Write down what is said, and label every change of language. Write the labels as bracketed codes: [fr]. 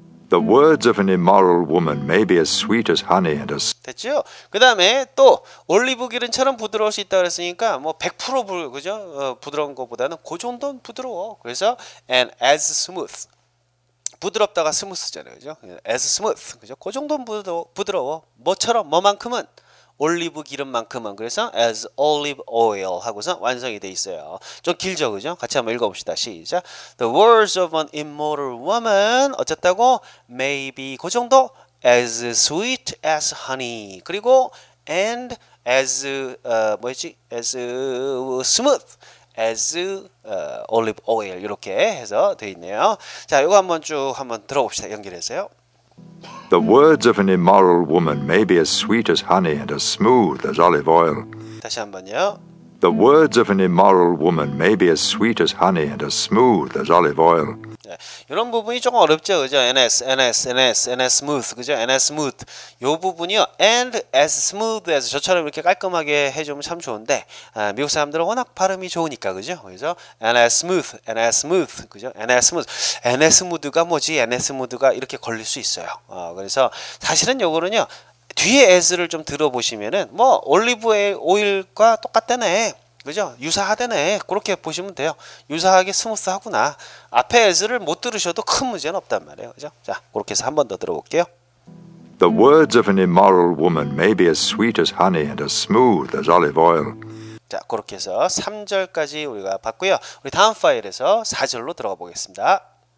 [en] The words of an immoral woman may be as sweet as honey and as. [ko] 됐죠? 그 다음에 또 올리브 기름처럼 부드러울 수 있다 그랬으니까 뭐 100% 그죠? 부드러운 것보다는 그 정도는 부드러워. 그래서 [en] and as smooth. [ko] 부드럽다가 스무스잖아요. 그죠? [en] as smooth. [ko] 그죠? 그 정도는 부드러워. 뭐처럼 뭐만큼은 올리브 기름만큼은. 그래서 [en] as olive oil [ko] 하고서 완성이 돼 있어요. 좀 길죠, 그죠? 같이 한번 읽어봅시다. 시작. [en] The words of an immoral woman [ko] 어쨌다고 [en] maybe 그 정도 as sweet as honey [ko] 그리고 [en] and as [ko] 뭐였지 [en] as smooth as olive oil [ko] 이렇게 해서 돼 있네요. 자, 이거 한번 쭉 한번 들어봅시다. 연결해서요. [en] The words of an immoral woman may be as sweet as honey and as smooth as olive oil. [ko] 다시 한 번요. [en] The words of an immoral woman may be as sweet as honey and as smooth as olive oil. [ko] 네, 이런 부분이 조금 어렵죠. 그죠? [en] NS smooth. [ko] 그죠? NS smooth. 요 부분이요. [en] And as smooth as [ko] 저처럼 이렇게 깔끔하게 해 주면 참 좋은데. 미국 사람들은 워낙 발음이 좋으니까 그죠? 그래서 [en] NS smooth. [ko] 그죠? NS smooth. [en] NS smooth [ko] 가 뭐지? NS smooth가 이렇게 걸릴 수 있어요. 그래서 사실은 요거는요. 뒤에 as를 좀 들어보시면은 뭐 올리브 오일과 똑같다네. 그죠? 유사하다네. 그렇게 보시면 돼요. 유사하게 스무스하구나. 앞에 as를 못 들으셔도 큰 문제는 없단 말이에요. 그죠? 자, 그렇게 해서 한 번 더 들어볼게요. [en] The words of an immoral woman may be as sweet as honey and as smooth as olive oil. [ko] 자, 그렇게 해서 3절까지 우리가 봤고요. 우리 다음 파일에서 4절로 들어가 보겠습니다.